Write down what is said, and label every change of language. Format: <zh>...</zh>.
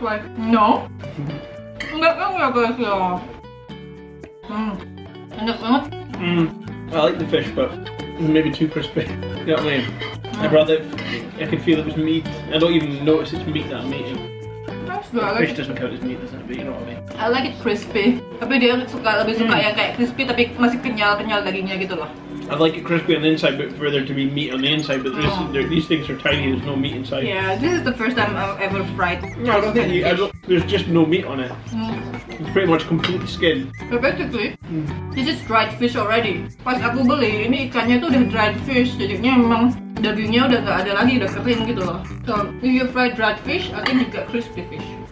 <en>Why? No.</en> <id>Enggak enggak guys ya. Enak banget.</id> <en>I like the fish, but maybe too crispy. You know what I mean? I'd rather. I can feel it was meat. I don't even notice it's meat that I'm eating. That's good. Like fish doesn't count as meat, doesn't it? But you know what I mean. I like it crispy.</en> <id>Tapi dia lebih suka yang kayak crispy tapi masih kenyal dagingnya gitu loh.</id> <en>I like it crispy on the inside, but for there to be meat on the inside, but these things are tiny, there's no meat inside. Yeah, this is the first time I've ever fried. No, I don't think there's just no meat on it. Mm. It's pretty much complete skin. So basically, this is dried fish already.</en> <id>Pas aku beli, ini ikannya tuh udah dried fish, jadinya memang dagingnya udah gak ada lagi, udah kering gitu loh.</id> <en>So, if you fry dried fish, I think you get crispy fish.</en>